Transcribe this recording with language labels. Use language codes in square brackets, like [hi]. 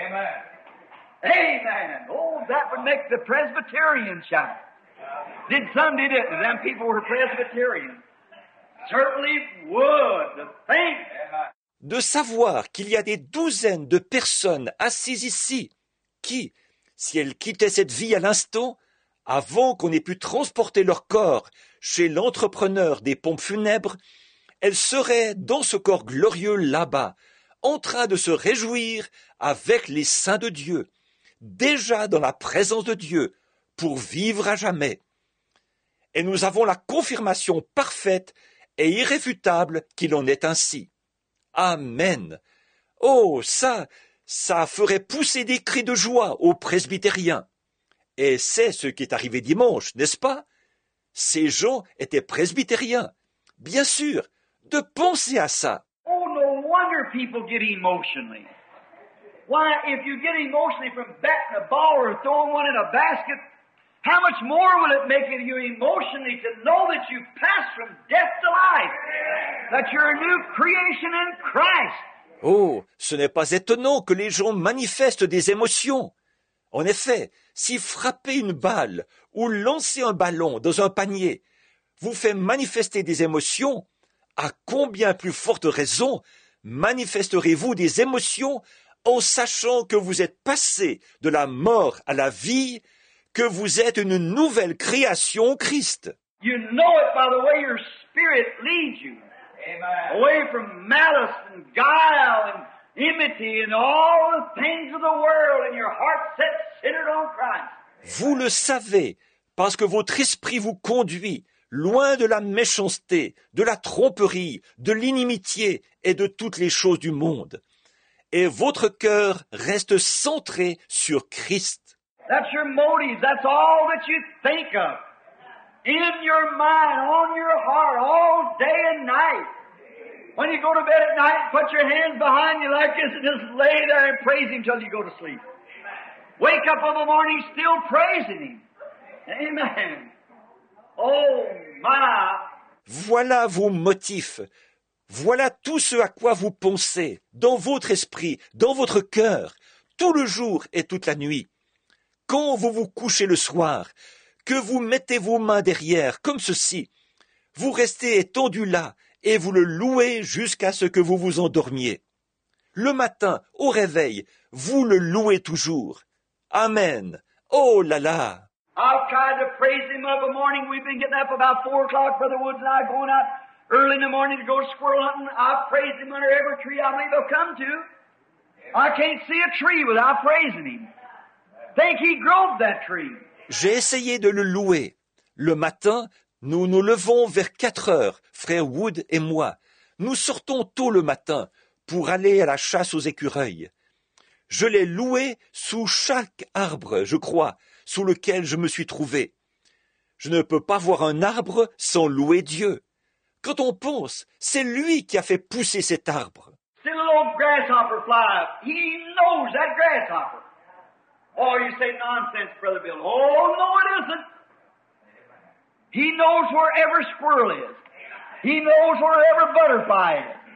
[en] Amen. Amen. Oh, that would make the Presbyterians shout. Did some, did it? Them people were Presbyterians. Certainly would. Thank you. [fr] De savoir qu'il y a des douzaines de personnes assises ici qui, si elles quittaient cette vie à l'instant, avant qu'on ait pu transporter leur corps chez l'entrepreneur des pompes funèbres, elle serait dans ce corps glorieux là-bas, en train de se réjouir avec les saints de Dieu, déjà dans la présence de Dieu, pour vivre à jamais. Et nous avons la confirmation parfaite et irréfutable qu'il en est ainsi. Amen. Oh, ça ferait pousser des cris de joie aux presbytériens. Et c'est ce qui est arrivé dimanche, n'est-ce pas? Ces gens étaient presbytériens, bien sûr. De penser à ça. [en] Oh, no wonder people get emotionally? Why, if you get emotionally from batting a ball or throwing one in a basket, how much more will it make you emotionally to know that you've passed from death to life, that you're a new creation in Christ? [fr] Oh, ce n'est pas étonnant que les gens manifestent des émotions. En effet, si frapper une balle ou lancer un ballon dans un panier vous fait manifester des émotions, à combien plus forte raison manifesterez-vous des émotions en sachant que vous êtes passé de la mort à la vie, que vous êtes une nouvelle création au Christ. [en] You know it by the way your spirit leads you. Amen. Away from malice and guile and enmity and all the things of the world and your heart set centered on Christ. [fr] Vous le savez parce que votre esprit vous conduit loin de la méchanceté, de la tromperie, de l'inimitié et de toutes les choses du monde. Et votre cœur reste centré sur Christ. [en] That's your motives, that's all that you think of. In your mind, on your heart, all day and night. When you go to bed at night, put your hands behind you like this and just lay there and praise Him until you go to sleep. Wake up in the morning still praising Him. Amen. Oh, my. [fr] Voilà vos motifs. Voilà tout ce à quoi vous pensez, dans votre esprit, dans votre cœur, tout le jour et toute la nuit. Quand vous vous couchez le soir, que vous mettez vos mains derrière, comme ceci, vous restez étendu là et vous le louez jusqu'à ce que vous vous endormiez. Le matin, au réveil, vous le louez toujours. Amen. Oh là là! [en] I've tried to praise Him up a morning. We've been getting up about 4 o'clock, Brother Woods and I, going out early in the morning to go squirrel hunting. I've praised Him under every tree I believe I'll come to. I can't see a tree without praising Him. Think He drove that tree. [fr] J'ai essayé de le louer. Le matin, nous nous levons vers 4 heures, frère Wood et moi. Nous sortons tôt le matin pour aller à la chasse aux écureuils. Je l'ai loué sous chaque arbre, je crois, sous lequel je me suis trouvé. Je ne peux pas voir un arbre sans louer Dieu. Quand on pense, c'est lui qui a fait pousser cet arbre. C'est le [en] little grasshopper fly. He knows that grasshopper. Oh, you say nonsense, Brother Bill. Oh, no, it isn't. He knows where every squirrel is. He knows where every butterfly is.